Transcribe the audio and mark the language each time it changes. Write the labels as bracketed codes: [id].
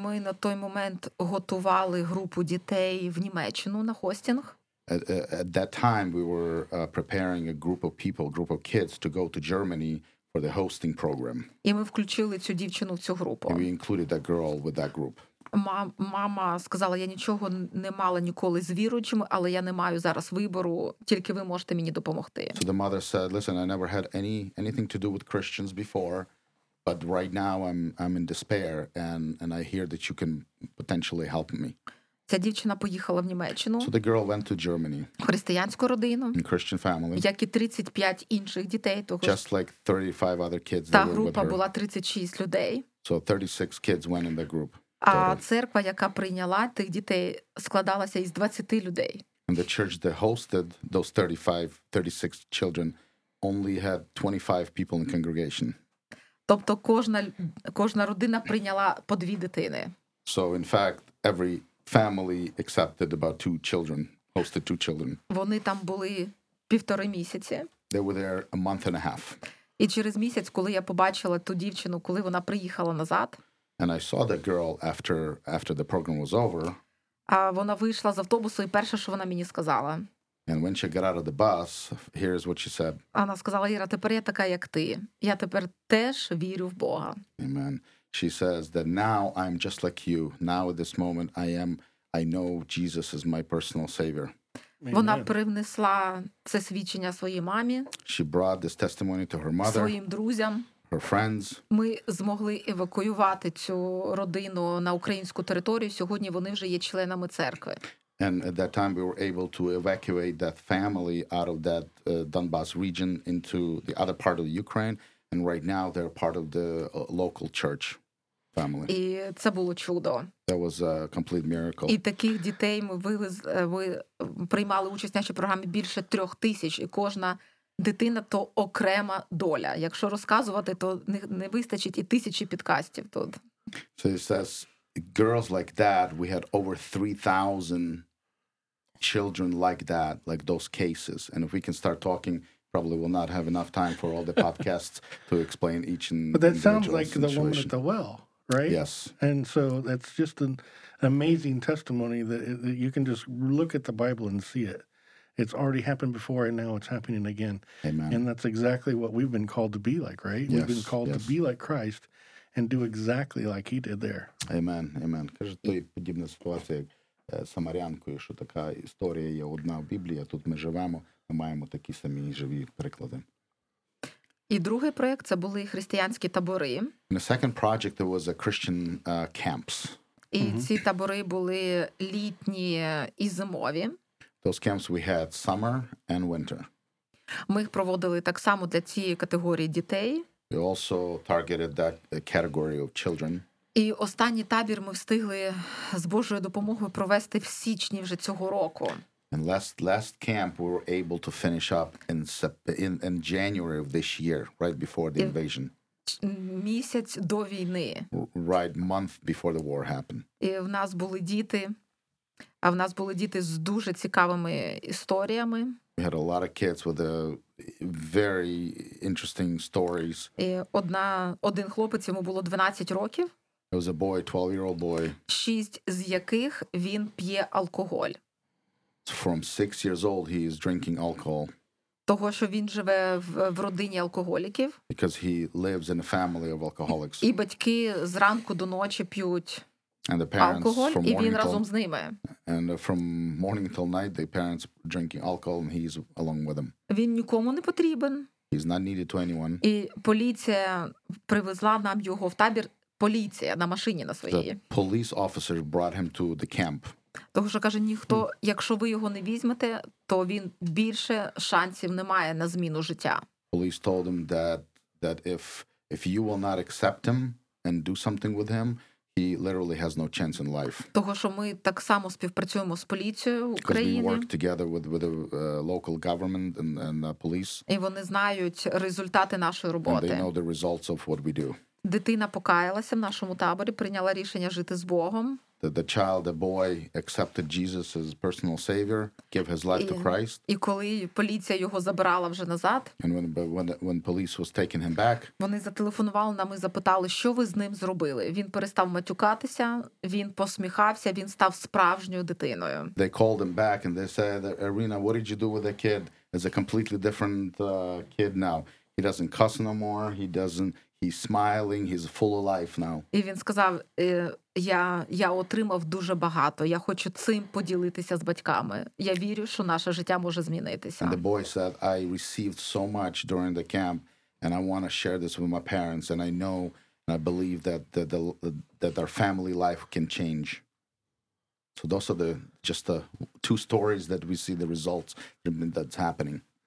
[uk] Ми на той момент готували групу дітей в Німеччину на хостинг. [en] At that time we were preparing a group of kids to go to Germany for the hosting program. [uk] І ми включили цю дівчину в цю групу. [en] And we included that girl with that group. [uk] Мама сказала, я нічого не мала ніколи з віруючими, але я не маю зараз вибору, тільки ви можете мені допомогти. [en] So the mother said, listen, I never had anything to do with Christians before. But right now I'm in despair and I hear that you can potentially help me. [uk] Ця дівчина поїхала в Німеччину. [en] So the girl went to Germany. [uk] Християнську родину. [en] In Christian family. [uk] Як і 35 інших дітей того. [en] Just like 35 other kids. [uk] Та група була 36 людей. [en] So 36 kids went in the group. [uk] А церква, яка прийняла тих дітей, складалася із 20 людей. [en] And the church that hosted those 36 children only had 25 people in congregation. [uk] Тобто кожна родина прийняла по 2 дитини. [en] So in fact, every family accepted about 2 children, hosted 2 children. [uk] Вони там були півтори місяці. [en] They were there a month and a half. [uk] І через місяць, коли я побачила ту дівчину, коли вона приїхала назад, [en] and I saw that girl after the program was over. [uk] А вона вийшла з автобусу і перше, що вона мені сказала, [en] and when she got out of the bus, here's what she said. [uk] Вона сказала, Іра, тепер я така, як ти. Я тепер теж вірю в Бога. [en] Amen. She says that now I'm just like you. Now at this moment I know Jesus is my personal savior. Amen. [uk] Вона привнесла це свідчення своїй мамі. [en] She brought this testimony to her mother. [uk] Своїм друзям. [en] Her friends. [uk] Ми змогли евакуювати цю родину на українську територію. Сьогодні вони вже є членами церкви. [en] And at that time, we were able to evacuate that family out of that Donbas region into the other part of the Ukraine. And right now, they're part of the local church family. [uk] І це було чудо. [en] That was a complete miracle. [uk] І таких дітей ми приймали участь в нашій програмі більше 3000, і кожна дитина – то окрема доля. Якщо розказувати, то не вистачить і тисячі підкастів тут. [en] So it says, girls like that, we had over 3,000 children like that, like those cases. And if we can start talking, probably we'll not have enough time for all the podcasts to explain each and But that sounds like situation. The woman at the well, right? Yes. And so that's just an amazing testimony that you can just look at the Bible and see it. It's already happened before, and now it's happening again. Amen. And that's exactly what we've been called to be like, right? Yes, we've been called to be like Christ and do exactly like he did there. Amen, amen. [uk] Каже, то є подібна ситуація з самарянкою, що така історія є одна в Біблії, а тут ми живемо, ми маємо такі самі живі приклади. І другий проєкт – це були християнські табори. [en] And the second project, it was a Christian camps. [uk] І ці табори були літні і зимові. [en] Those camps we had summer and winter. [uk] Ми їх проводили так само для цієї категорії дітей. [en] We also targeted that category of children. [uk] І останній табір ми встигли з Божою допомогою провести в січні вже цього року. [en] And last camp we were able to finish up in January of this year, right before the invasion. [uk] Місяць до війни. [en] Right month before the war happened. [uk] І в нас були діти. А в нас були діти з дуже цікавими історіями. [en] We had a lot of kids with very interesting stories. [uk] І один хлопець, йому було 12 років. [en] It was a boy, 12-year-old boy. [uk] 6 з яких він п'є алкоголь. [en] From 6 years old he is drinking alcohol. [uk] Того, що він живе в родині алкоголіків. [en] Because he lives in a family of alcoholics. [uk] І батьки зранку до ночі п'ють. [en] And the parents alcohol, from morning [uk] разом з ними. [en] And from morning till night, the parents drinking alcohol and he's along with them. [uk] Він нікому не потрібен. [en] He's not needed to anyone. [uk] І поліція привезла нам його в табір, поліція на машині на своїй. [en] The police officer brought him to the camp. [uk] Тому що каже, ніхто, якщо ви його не візьмете, то він більше шансів не має на зміну життя. [en] Police told him that if you will not accept him and do something with him, he literally has no chance in life. [uk] Того, що ми так само співпрацюємо з поліцією України. [en] Because we work together with the local government and police. [uk] І вони знають результати нашої роботи. [en] And they know the results of what we do. [uk] Дитина покаялася в нашому таборі, прийняла рішення жити з Богом. [en] The child, the boy, accepted Jesus as personal savior, give his life to Christ. [uk] І коли поліція його забрала вже назад, [en] and when police was taking him back, [uk] вони зателефонували нам і запитали, що ви з ним зробили. Він перестав матюкатися, він посміхався, він став справжньою дитиною. [en] They called him back and they said, Irina, what did you do with the kid? It's a completely different kid now. He doesn't cuss no more, he's smiling, he's full of life now. [uk] І він сказав, я отримав дуже багато, я хочу цим поділитися з батьками. Я вірю, що наше життя може змінитися. [en] And the boy said, I received so much during the camp, and I want to share this with my parents, and I know, and I believe that our family life can change. So those are the two stories that we see the results that's happening.